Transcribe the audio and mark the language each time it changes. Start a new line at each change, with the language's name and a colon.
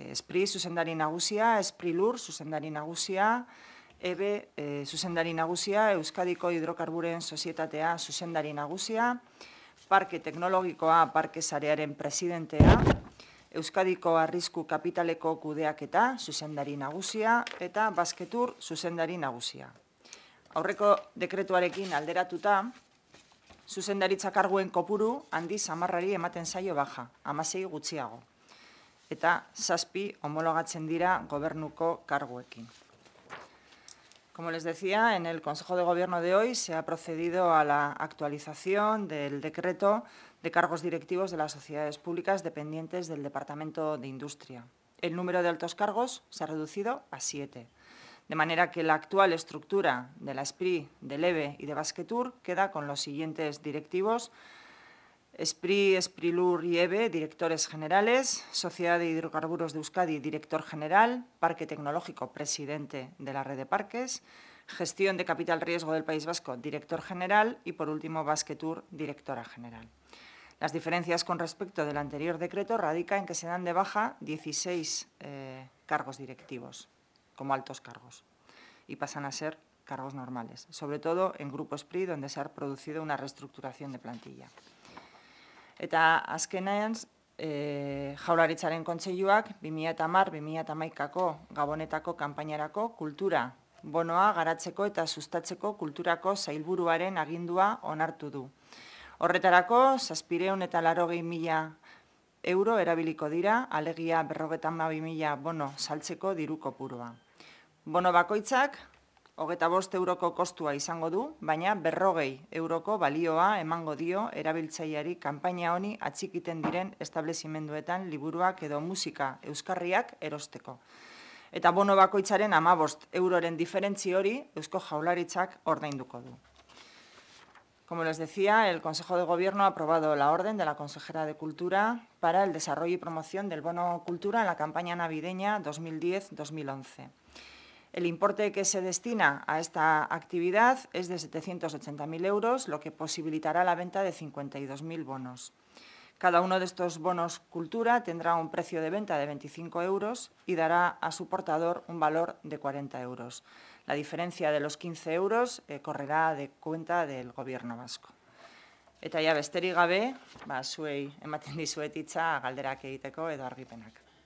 Basque: Espri zuzendari nagusia, Espri Lur zuzendari nagusia, EBE zuzendari nagusia, Euskadiko Hidrokarburen Sozietatea zuzendari nagusia, Parke Teknologikoa Parke Sarearen presidentea, Euskadiko Arrisku Kapitaleko kudeaketa zuzendari nagusia eta Basketur zuzendari nagusia. Aurreko dekretuarekin alderatuta, zuzendaritza karguen kopuru handi 10ari ematen zaio baja, 16 gutxiago, eta 7 homologatzen dira gobernuko karguekin.
Spanish: Como les decía, en el Consejo de Gobierno de hoy se ha procedido a la actualización del decreto de cargos directivos de las sociedades públicas dependientes del Departamento de Industria. El número de altos cargos se ha reducido a 7, de manera que la actual estructura de la Espri, del EBE y de Basketur queda con los siguientes directivos: Espri, Esprilur y EBE, directores generales; Sociedad de Hidrocarburos de Euskadi, director general; Parque Tecnológico, presidente de la red de parques; Gestión de Capital Riesgo del País Vasco, director general; y, por último, Basketur, directora general. Las diferencias con respecto del anterior decreto radican en que se dan de baja 16 cargos directivos como altos cargos y pasan a ser cargos normales, sobre todo en Grupo Espri, donde se ha producido una reestructuración de plantilla.
Basque: Eta azkenean, Jaurlaritzaren kontseiluak 2010-2011ko gabonetako kanpainarako kultura bonoa garatzeko eta sustatzeko kulturako sailburuaren agindua onartu du. Horretarako, 780.000 euro erabiliko dira, alegia 42.000 bono saltzeko diru kopurua. Bono bakoitzak, 25 euroko kostua izango du, baina 40 euroko balioa emango dio erabiltzaileari kanpaina honi atxikiten diren establezimenduetan liburuak edo musika euskarriak erosteko. Eta bono bakoitzaren 15 euroren diferentzi hori Eusko Jaurlaritzak ordainduko du.
Spanish: Como les decía, el Consejo de Gobierno ha aprobado la orden de la Consejera de Cultura para el desarrollo y promoción del bono cultura en la campaña navideña 2010-2011. El importe que se destina a esta actividad es de 780.000 euros, lo que posibilitará la venta de 52.000 bonos. Cada uno de estos bonos cultura tendrá un precio de venta de 25 euros y dará a su portador un valor de 40 euros. La diferencia de los 15 euros correrá de cuenta del Gobierno Vasco.
Basque: Eta ya besterik gabe, ba, zuei ematen dizuet hitza galderak egiteko edo argipenak.